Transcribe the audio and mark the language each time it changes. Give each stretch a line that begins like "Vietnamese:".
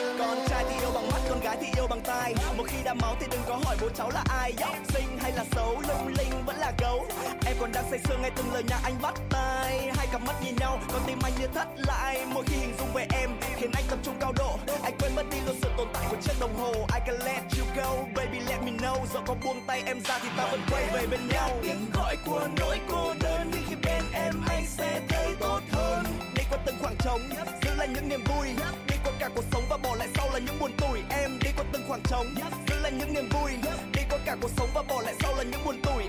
Vietnamese: Con trai thì yêu bằng mắt, con gái thì yêu bằng tai. Một khi đã máu thì đừng có hỏi bố cháu là ai. Học sinh hay là xấu, lung linh vẫn là gấu. Em còn đang say sưa nghe từng lời nhạc anh bắt tai. Hai cặp mắt nhìn nhau, con tim anh như thất lại. Mỗi khi hình dung về em khiến anh tập trung cao độ. Anh quên mất đi luôn sự tồn tại của chiếc đồng hồ.
English: I can let you go, baby let me know.
Vietnamese: Giờ có buông tay em ra thì ta vẫn quay về bên nhau. Tiếng gọi của nỗi cô đơn, nhưng khi bên em anh sẽ thấy tốt hơn. Đi qua từng khoảng trống, giữ lại những niềm vui. Đi qua cả cuộc sống và bỏ lại sau là những buồn tủi. Em đi qua từng khoảng trống, giữ lại những niềm vui. Đi qua cả cuộc sống và bỏ lại sau là những buồn tủi.